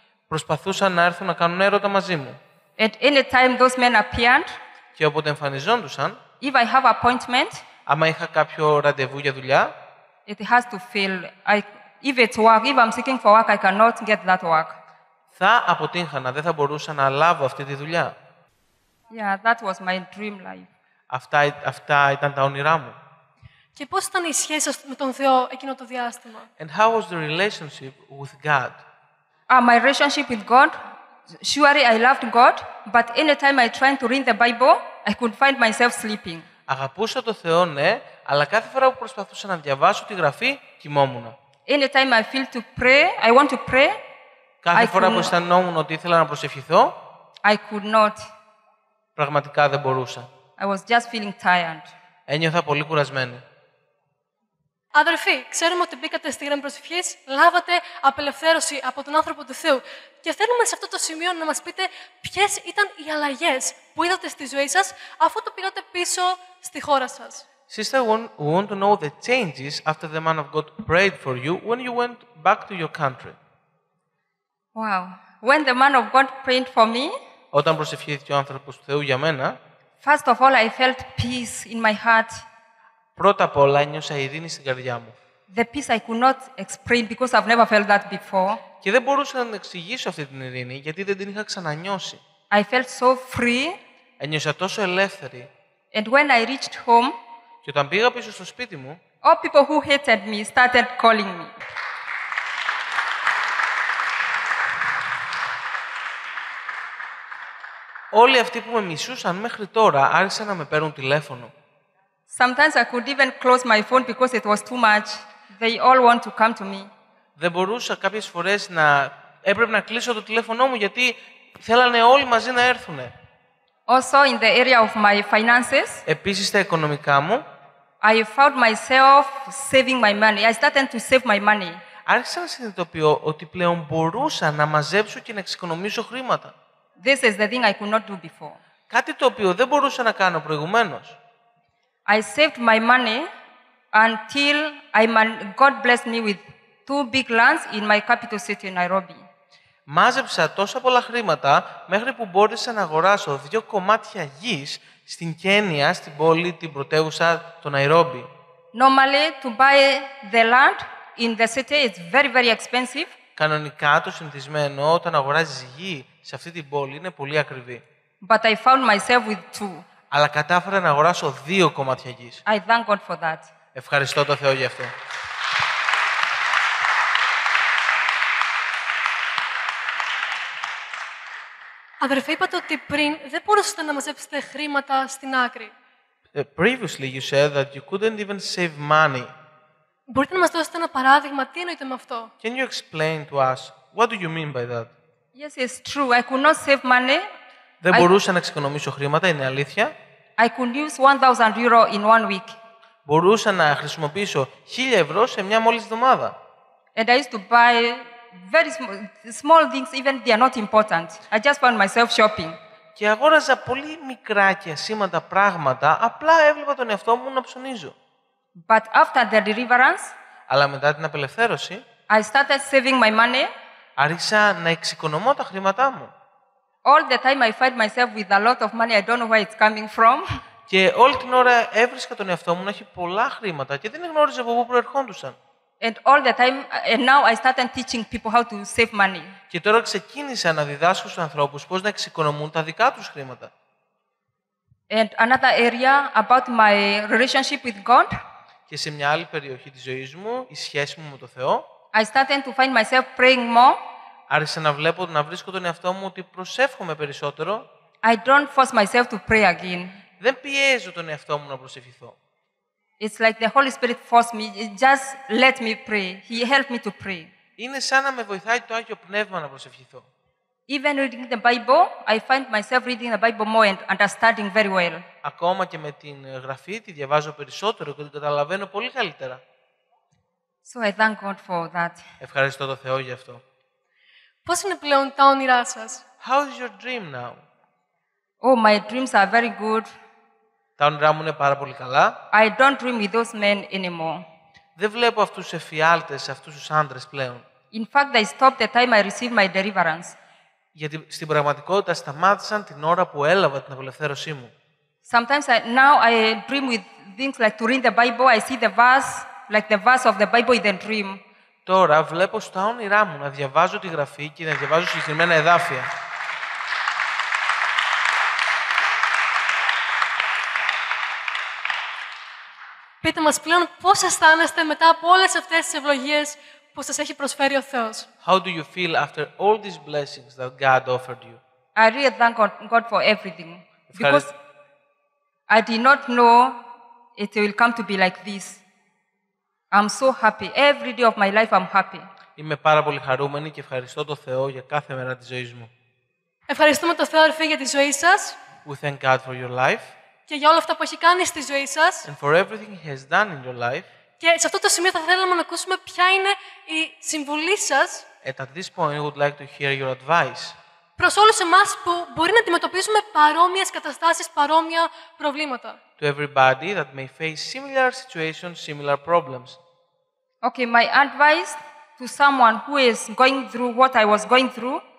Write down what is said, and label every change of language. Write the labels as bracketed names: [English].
[Greek] Προσπαθούσαν να έρθουν να κάνουν έρωτα μαζί μου. [English] At any time those men appeared. [Greek] Και όποτε εμφανιζόντουσαν. [English] If I have appointment. [Greek] Άμα είχα κάποιο ραντεβού για δουλειά. [English] It has to fail. If it's work, if I'm seeking for work, I cannot get that work. [Greek] Θα αποτύχανα, δεν θα μπορούσα να λάβω αυτή τη δουλειά. [English] Yeah, that was my dream life. [Greek] Αυτά ήταν τα όνειρά μου. Και πώς ήταν η σχέση σας με τον Θεό εκείνο το διάστημα? [English] And how was the relationship with God? My relationship with God, surely I loved God, but any time I tried to read the Bible, I could find myself sleeping. [Greek] Αγαπούσα τον Θεό, ναι, αλλά κάθε φορά που προσπαθούσα να διαβάσω τη γραφή, κοιμόμουν. [English] Any time I feel to pray, I want to pray. [Greek] Κάθε φορά που αισθανόμουν ότι ήθελα να προσευχηθώ, [English] I could not. [Greek] Πραγματικά δεν μπορούσα. [English] I was just feeling tired. [Greek] Ένιωθα πολύ κουρασμένη. Αδερφοί, ξέρουμε ότι μπήκατε στη γραμμή προσευχής, λάβατε απελευθέρωση από τον άνθρωπο του Θεού. Και θέλουμε σε αυτό το σημείο να μας πείτε ποιες ήταν οι αλλαγές που είδατε στη ζωή σας αφού το πήγατε πίσω στη χώρα σας. [English] Sister, we want to know the changes after the man of God prayed for you when you went back to your country. Wow. When the man of God prayed for me, [Greek] όταν προσευχήθηκε ο άνθρωπος του Θεού για μένα, [English] first of all, I felt peace in my heart. [Greek] Πρώτα απ' όλα, ένιωσα ειρήνη στην καρδιά μου. [English] The peace I could not explain because I've never felt that before. [Greek] Και δεν μπορούσα να εξηγήσω αυτή την ειρήνη γιατί δεν την είχα ξανανιώσει. [English] I felt so free. [Greek] Ένιωσα τόσο ελεύθερη. [English] And when I reached home, [Greek] και όταν πήγα πίσω στο σπίτι μου, [English] all people who hated me started calling me. [Greek] Όλοι αυτοί που με μισούσαν μέχρι τώρα άρχισαν να με παίρνουν τηλέφωνο. [English] Sometimes I could even close my phone because it was too much. They all want to come to me. [Greek] Δεν μπορούσα κάποιες φορές να έπρεπε να κλείσω το τηλέφωνό μου γιατί θέλανε όλοι μαζί να έρθουνε. [English] Also in the area of my finances. [Greek] Επίσης στα οικονομικά μου. [English] I found myself saving my money. I started to save my money. [Greek] Άρχισα να συνειδητοποιώ ότι πλέον μπορούσα να μαζέψω και να εξοικονομήσω χρήματα. [English] This is the thing I could not do before. [Greek] Κάτι το οποίο δεν μπορούσα να κάνω προηγουμένως. [English] I saved my money until God blessed me with two big lands in my capital city, Nairobi. [Greek] Μάζεψα τόσα πολλά χρήματα μέχρι που μπόρεσα να αγοράσω δύο κομμάτια γης στην Κένια, στην πόλη, την πρωτεύουσα, το Nairobi. [English] Normally, to buy the land in the city is very, very expensive. [Greek] Κανονικά, το συνηθισμένο, όταν αγοράζεις γη σε αυτή την πόλη, είναι πολύ ακριβή. [English] But I found myself with two. [Greek] Αλλά κατάφερα να αγοράσω δύο κομμάτια γης. [English] I thank God for that. [Greek] Ευχαριστώ τον Θεό γι' αυτό. Αδερφέ, είπατε ότι πριν δεν μπορούσατε να μαζέψετε χρήματα στην άκρη. [English] Previously you said that you couldn't even save money. [Greek] Μπορείτε να μας δώσετε ένα παράδειγμα, τι εννοείτε με αυτό? [English] Can you explain to us what do you mean by that? Yes, it's true. I could not save money. [Greek] Δεν μπορούσα να εξοικονομήσω χρήματα, είναι αλήθεια. [English] I could use 1,000 euro in one week. [Greek] Μπορούσα να χρησιμοποιήσω 1,000 ευρώ σε μια μόλις εβδομάδα. [English] And I used to buy very small things, even they are not important. I just found myself shopping. [Greek] Και αγόραζα πολύ μικρά και ασήμαντα πράγματα, απλά έβλεπα τον εαυτό μου να ψωνίζω. [English] But after the deliverance, [Greek] αλλά μετά την απελευθέρωση, [English] I started saving my money. [Greek] Άρχισα να εξοικονομώ τα χρήματά μου. [English] All the time I find myself with a lot of money. I don't know where it's coming from. [Greek] Και όλη την ώρα έβρισκα τον εαυτό μου να έχει πολλά χρήματα και δεν γνώριζα από πού προερχόντουσαν. [English] And all the time, and now I started teaching people how to save money. [Greek] Και τώρα ξεκίνησα να διδάσκω στους ανθρώπους πώς να εξοικονομούν τα δικά τους χρήματα. [English] And another area about my relationship with God. [Greek] Και σε μια άλλη περιοχή της ζωής μου, η σχέση μου με τον Θεό. [English] I started to find myself praying more. [Greek] Άρχισα να βλέπω, να βρίσκω τον εαυτό μου ότι προσεύχομαι περισσότερο. [English] I don't force myself to pray again. [Greek] Δεν πιέζω τον εαυτό μου να προσευχηθώ. [English] It's like the Holy Spirit forced me, just let me pray. He helped me to pray. [Greek] Είναι σαν να με βοηθάει το Άγιο Πνεύμα να προσευχηθώ. [English] Even reading the Bible, I find myself reading the Bible more and understanding very well. [Greek] Ακόμα και με την γραφή τη διαβάζω περισσότερο και την καταλαβαίνω πολύ καλύτερα. [English] So I thank God for that. [Greek] Ευχαριστώ τον Θεό γι' αυτό. Πώς είναι πλέον τα όνειρά σας? [English] How is your dream now? Oh, my dreams are very good. [Greek] Τα όνειρά μου είναι πάρα πολύ καλά. [English] I don't dream with those men anymore. [Greek] Δεν βλέπω αυτούς τους εφιάλτες, αυτούς τους άντρες πλέον. [English] In fact, they stopped the time I received my deliverance. [Greek] Γιατί στην πραγματικότητα σταμάτησαν την ώρα που έλαβα την απελευθέρωσή μου. [English] Sometimes I, now I dream with things like to read the Bible. I see the verse, like the verse of the Bible in the dream. [Greek] Τώρα βλέπω στα όνειρά μου να διαβάζω τη γραφή και να διαβάζω συγκεκριμένα εδάφια. Πείτε μας πλέον πώς αισθάνεστε μετά από όλες αυτές τις ευλογίες που σας έχει προσφέρει ο Θεός. [English] How do you feel after all these blessings that God offered you? I really thank God for everything. Because I did not know it will come to be like this. I'm so happy. Every day of my life I'm happy. [Greek] Είμαι πάρα πολύ χαρούμενη και ευχαριστώ τον Θεό για κάθε μέρα της ζωής μου. Ευχαριστούμε τον Θεό, αδερφέ, για τη ζωή σας. [English] We thank God for your life. [Greek] Και για όλα αυτά που έχει κάνει στη ζωή σας. [English] And for everything he has done in your life. [Greek] Και σε αυτό το σημείο θα θέλαμε να ακούσουμε ποια είναι η συμβουλή σας. [English] And at this point, we would like to hear your advice. [Greek] Προς όλους εμάς που μπορεί να αντιμετωπίζουμε παρόμοιες καταστάσεις, παρόμοια προβλήματα. [English] To everybody that may face similar situations, similar problems. Okay, my advice to someone who is going through what I was going through.